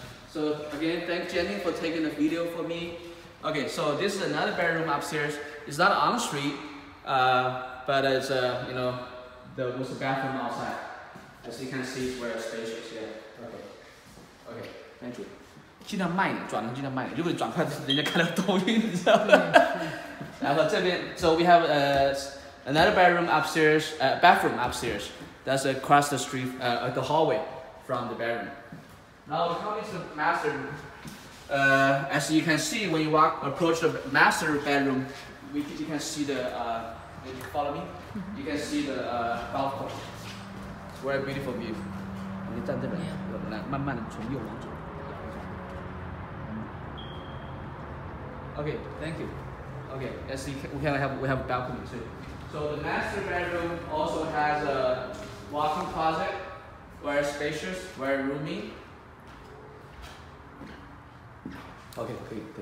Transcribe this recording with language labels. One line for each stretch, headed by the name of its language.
English: So again, thank Jenny for taking the video for me. Okay, so this is another bedroom upstairs. It's not on the street, but it's you know, the was the bathroom outside. As you can see, it's very spacious. Yeah. Okay. Okay. Thank you.
Chinese: 尽量慢一点，转能尽量慢一点。如果你转快，人家看到抖音，你知道吗？然后这边,
English: so we have another bedroom upstairs, bathroom upstairs. That's across the street, the hallway from the bedroom. Now we're coming to the master room. As you can see, when you walk approach the master bedroom, you can see the, if you follow me, you can see the golf course. It's very beautiful view.
Chinese: 你站这边，来慢慢的从右往左。
English: Okay, thank you. Okay, as you can, we have a balcony too. So the master bedroom also has a walk-in closet, very spacious, very roomy. Okay, okay, okay.